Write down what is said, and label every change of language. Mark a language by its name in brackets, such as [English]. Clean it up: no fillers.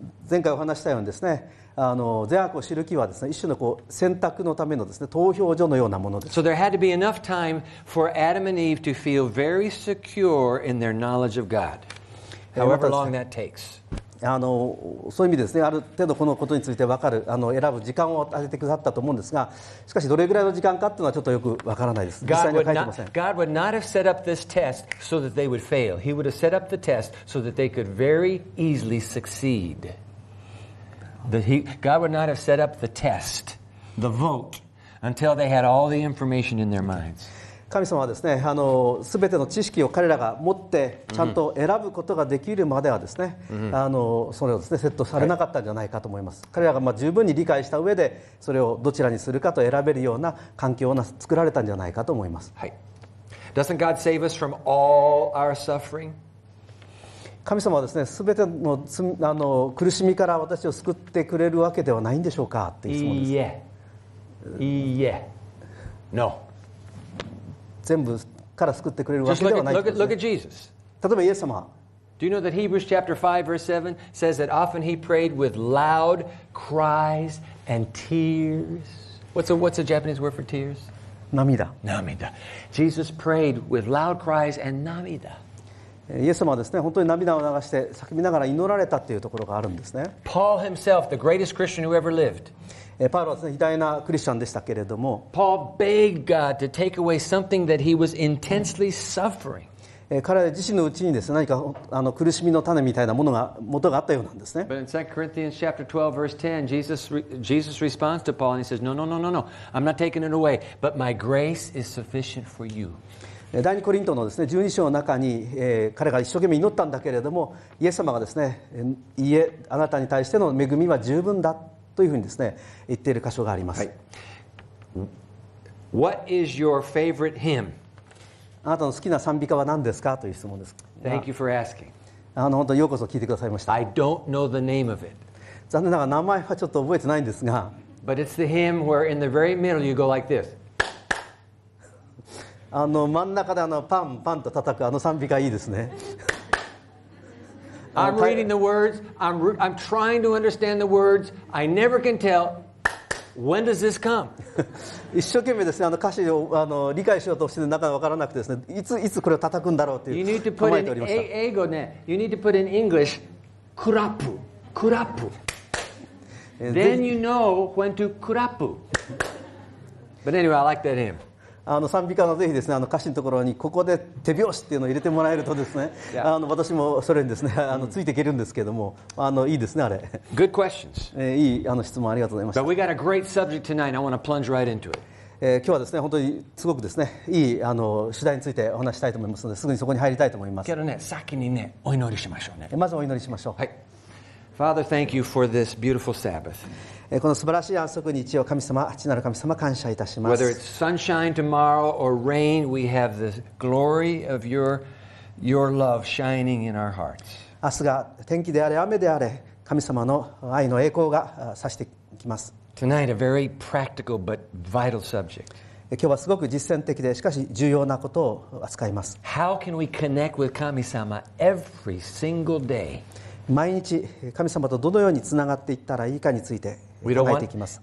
[Japanese] 前回お話したようにですね、善悪を知る木はですね、一種のこう選択のためのですね、投票所のようなものです。 [English] So there had to be enough time for Adam and Eve to feel very secure in their knowledge of God, however long that takes. [Japanese] あのそういう意味ですね、ある程度このことについて分かる、あの選ぶ時間を与えてくださったと思うんですが、しかしどれぐらいの時間かっていうのはちょっとよく分からないです。実際には書いてません。 [English] God would not have set up this test so that they would fail. He would have set up the test so that they could very easily succeed. God would not have set up the test, the vote, until they had all the information in their minds. [Japanese] 神様はですね、あの全ての知識を彼らが持ってちゃんと選ぶことができるまではですね、mm-hmm. あのそれをですね、セットされなかったんじゃないかと思います。彼らがまあ十分に理解した上で、それをどちらにするかと選べるような環境を作られたんじゃないかと思います。はい。 [English] Doesn't God save us from all our suffering? [Japanese] 神様はですね、すべての、あの、苦しみから私を救ってくれるわけではないんでしょうかっていう質問です。いいえ。いいえ。 [English] No. [Japanese] 全部から救ってくれるわけではないですね。 [English] Look at Jesus. [Japanese] 例えばイエス様。 [English] Do you know that Hebrews chapter 5 verse 7 says that often he prayed with loud cries and tears? What's a Japanese word for tears? [Japanese] 涙。涙。 [English] Jesus prayed with loud cries and 涙。 [Japanese] イエス様はですね、本当に涙を流して叫びながら祈られたというところがあるんですね。 [English] Paul himself, the greatest Christian who ever lived. [Japanese] パウロはですね、偉大なクリスチャンでしたけれども。 [English] Paul begged God to take away something that he was intensely suffering. [Japanese] 彼自身のうちにですね、何かあの苦しみの種みたいなものが元があったようなんですね。 [English] But in 2 Corinthians chapter 12 verse 10, Jesus responds to Paul and he says, No, I'm not taking it away, but my grace is sufficient for you. [Japanese] 第2コリントのですね、12章の中に、彼が一生懸命祈ったんだけれども、イエス様がですね、いえ、あなたに対しての恵みは十分だというふうにですね、言っている箇所があります。はい、 [English] What is your favorite hymn? [Japanese] あなたの好きな賛美歌は何ですかという質問です。 [English] Thank you for asking. [Japanese] あの本当ようこそ聞いてくださいました。 [English] I don't know the name of it. [Japanese] 残念ながら名前はちょっと覚えてないんですが、 [English] But it's the hymn where in the very middle you go like this. [Japanese] あの真ん中であのパンパンと叩くあの賛美歌いいですね。 [English] I'm reading the words. I'm trying to understand the words. I never can tell. When does this come? [Japanese] 一生懸命ですね、あの歌詞をあの理解しようとしてなかなか分からなくてですね、いつこれを叩くんだろうっていう [English] You need to put in [Japanese] 英語ね。 [English] You need to put in English. Clap, clap. Then you know when to clap. But anyway, I like that hymn. [Japanese] あの賛美歌のぜひですね、あの歌詞のところにここで手拍子っていうのを入れてもらえるとですね、あの私もそれにですね、あのついていけるんですけども、あのいいですね、あれ。 [English] Good questions. [Japanese] いいあの質問ありがとうございました。 [English] But we got a great subject tonight and I want to plunge right into it. [Japanese] 今日はですね、本当にすごくですね、いいあの主題についてお話したいと思いますので、すぐにそこに入りたいと思います。けどね、先にね、お祈りしましょうね。まずお祈りしましょう。はい。 [English] Father, thank you for this beautiful Sabbath. [Japanese] この素晴らしい安息日を神様、父なる神様、感謝いたします。 [English] Whether it's sunshine tomorrow or rain, we have the glory of your love shining in our hearts. [Japanese] 明日が天気であれ、雨であれ、神様の愛の栄光が差してきます。 [English] Tonight, a very practical but vital subject. [Japanese] 今日はすごく実践的で、しかし重要なことを扱います。 [English] How can we connect with 神様 every single day? [Japanese] 毎日神様とどのようにつながっていったらいいかについて考えていきます。